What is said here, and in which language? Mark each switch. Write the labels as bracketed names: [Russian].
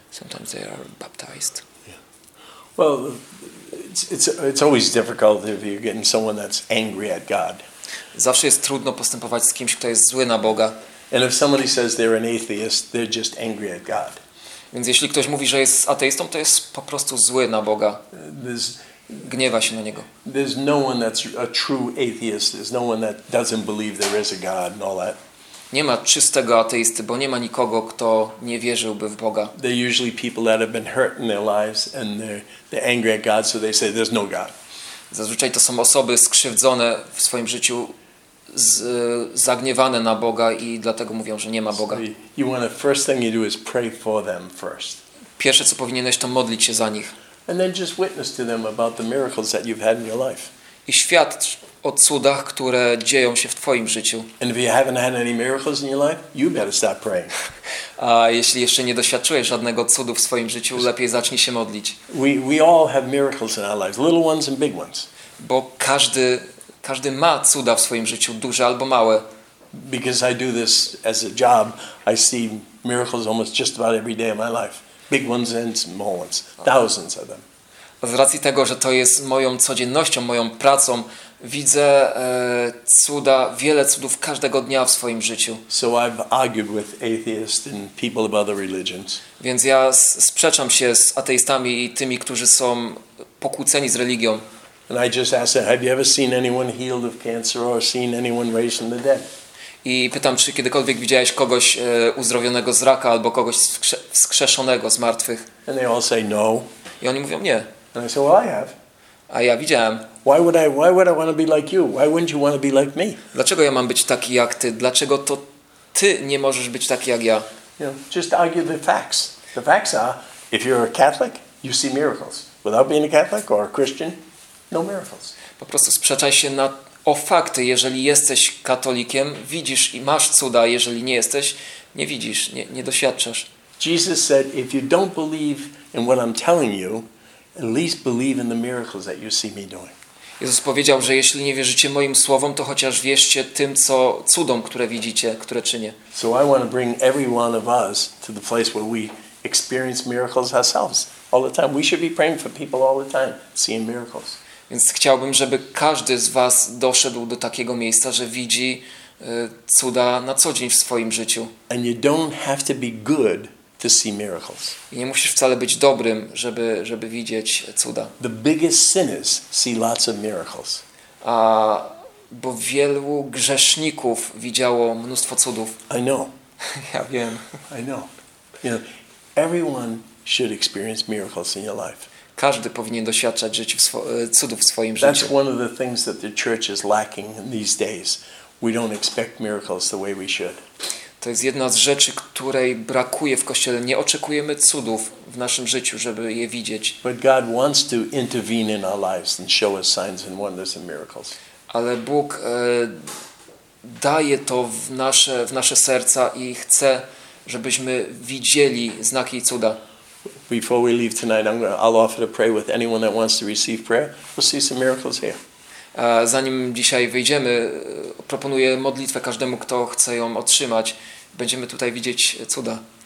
[English] Sometimes they are baptized. Yeah. Well, it's always difficult if you're getting someone that's angry at God. [Polish] Zawsze jest trudno postępować z kimś, kto jest zły na Boga. [English] And if somebody says they're an atheist, they're just angry at God. [Polish] Więc jeśli ktoś mówi, że jest ateistą, to jest po prostu zły na Boga. Gniewa się na niego. [English] There's no one that's a true atheist. There's no one that doesn't believe there is a God and all that. [Polish] Nie ma czystego ateisty, bo nie ma nikogo, kto nie wierzyłby w Boga. [English] They're usually people that have been hurt in their lives and they're angry at God, so they say there's no God. [Polish] Zazwyczaj to są osoby skrzywdzone w swoim życiu, zagniewane na Boga i dlatego mówią, że nie ma Boga. [English] You want the first thing you do is pray for them first. [Polish] Pierwsze co powinieneś, to modlić się za nich. [English] And then just witness to them about the miracles that you've had in your life. [Polish] I świadcz o cudach, które dzieją się w twoim życiu. [English] And if you haven't had any miracles in your life, you better start praying. [Polish] A jeśli jeszcze nie doświadczyłeś żadnego cudu w swoim życiu, lepiej zacznij się modlić. [English] We all have miracles in our lives, little ones and big ones. [Polish] Bo każdy ma cuda w swoim życiu, duże albo małe. [English] Because I do this as a job, I see miracles almost just about every day of my life. Big ones and small ones, thousands of them. [Polish] Z racji tego, że to jest moją codziennością, moją pracą, widzę cuda, wiele cudów każdego dnia w swoim życiu. [English] So I've argued with atheists and people of other religions. [Polish] Więc ja sprzeczam się z ateistami i tymi, którzy są pokłóceni z religią. [English] And I just ask them, have you ever seen anyone healed of cancer or seen anyone raised from the dead? [Polish] I pytam, czy kiedykolwiek widziałeś kogoś uzdrowionego z raka albo kogoś wskrzeszonego z martwych? [English] And they all say no. [Polish] I oni mówią nie. [English] And I say, well, I have. [Polish] A ja widziałem. [English] Why would I want to be like you? Why wouldn't you want to be like me? [Polish] Dlaczego ja mam być taki jak ty? Dlaczego to ty nie możesz być taki jak ja? [English] You know, just argue the facts. The facts are, if you're a Catholic, you see miracles. Without being a Catholic or a Christian, no miracles. [Polish] Po prostu sprzeczaj się na o fakty, jeżeli jesteś katolikiem, widzisz i masz cuda, jeżeli nie jesteś, nie widzisz, nie doświadczasz. [English] Jesus said, if you don't believe in what I'm telling you, at least believe in the miracles that you see me doing. [Polish] Jezus powiedział, że jeśli nie wierzycie moim słowom, to chociaż wierzcie tym, co cudom, które widzicie, które czynię. [English] So I want to bring every one of us to the place where we experience miracles ourselves all the time. We should be praying for people all the time, seeing miracles. [Polish] Więc chciałbym, żeby każdy z was doszedł do takiego miejsca, że widzi cuda na co dzień w swoim życiu. [English] And you don't have to be good to see miracles. [Polish] I nie musisz wcale być dobrym, żeby widzieć cuda. [English] The biggest sinners see lots of miracles. [Polish] A bo wielu grzeszników widziało mnóstwo cudów. [English] I know. [Polish] Ja wiem. [English] I know. You know, everyone should experience miracles in your life. [Polish] Każdy powinien doświadczać cudów w swoim życiu. [English] That's one of the things that the church is lacking in these days. We don't expect miracles the way we should. [Polish] To jest jedna z rzeczy, której brakuje w Kościele. Nie oczekujemy cudów w naszym życiu, żeby je widzieć. [English] But God wants to intervene in our lives and show us signs and wonders and miracles. [Polish] Ale Bóg daje to w nasze serca i chce, żebyśmy widzieli znaki i cuda. [English] Before we leave tonight, I'll offer to pray with anyone that wants to receive prayer. We'll see some miracles here. [Polish] Zanim dzisiaj wyjdziemy, proponuję modlitwę każdemu, kto chce ją otrzymać. Będziemy tutaj widzieć cuda.